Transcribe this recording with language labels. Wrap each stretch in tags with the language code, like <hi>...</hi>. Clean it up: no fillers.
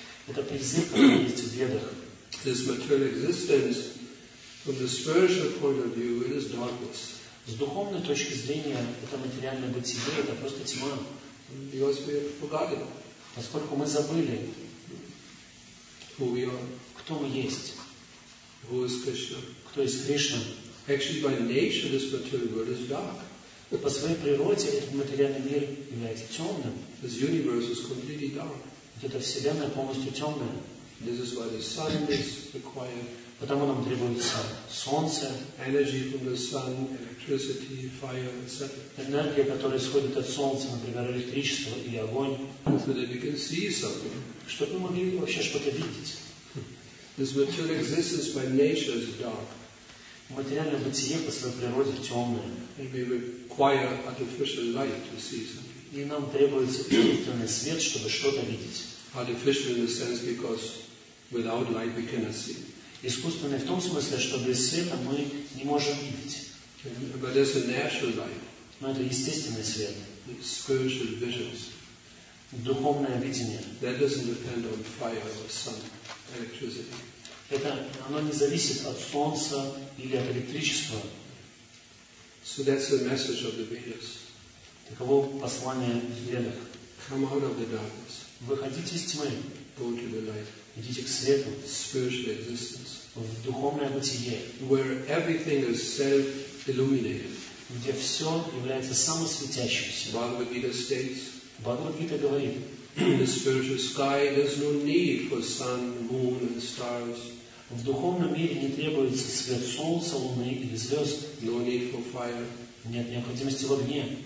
<ru>Это призыв, который есть в Ведах.</ru> <en>This material existence, from the spiritual point of view, it is darkness.</en> <ru>С духовной точки зрения, это материальное бытие, это просто тьма.</ru> <en>Because we have forgotten.</en> <ru>Поскольку мы забыли,</ru> <en>who we are,</en> <ru>кто мы есть,</ru> <en>who is Krishna,</en> <ru>кто есть Кришна.</ru> <en>Actually, by nature, this material world is dark.</en> <ru>По своей природе этот материальный мир является темным.</ru> <en>This universe is completely dark.</en> <ru>Вот эта вселенная полностью темная.</ru> <en>This is why the sun is required.</en> <ru>Потому нам требуется солнце,</ru> <en>energy from the sun, electricity, fire, etc.</en> <ru>Энергия, которая исходит от солнца, например, электричество или огонь.</ru> <en>So that we can see something.</en> <ru>Чтобы мы могли вообще что-то видеть.</ru> <en>This material existence by nature is dark.</en> <ru>Материальное бытие по своей природе темное.</ru> <en>And we require artificial light to see something.</en> <ru>И нам требуется искусственный свет, чтобы что-то видеть.</ru> <en>Artificial in the sense because without light we cannot see.</en> <ru>Искусственное в том смысле, что без света мы не можем видеть.</ru> <en>But that's a natural light.</en> <ru>Но это естественный свет.</ru> <en>It's spiritual visions.</en> <ru>Духовное видение.</ru> <en>That doesn't depend on fire or sun, electricity.</en> <ru>Это, оно не зависит от солнца или от электричества.</ru> <en>So that's the message of the Vedas.</en> <ru>Таково послание в Ведах.</ru> <en>Come out of the darkness.</en> <ru>Выходите из тьмы.</ru> <en>Go to the light.</en> <ru>Идите к свету.</ru> <en>Spiritual existence.</en> <ru>В духовное бытие.</ru> <en>Where everything is self-illuminated.</en> <ru>где все является самосветящимся.</ru> <en>Бхагавад-гита states,</en> <ru>Бхагавад-гита говорит,</ru> <en>in the spiritual sky there's no need for sun, moon and stars.</en> <ru>В духовном мире не требуется свет солнца, луны или звезд.</ru> <en>No need for fire.</en> <ru>Нет необходимости в огне.</ru>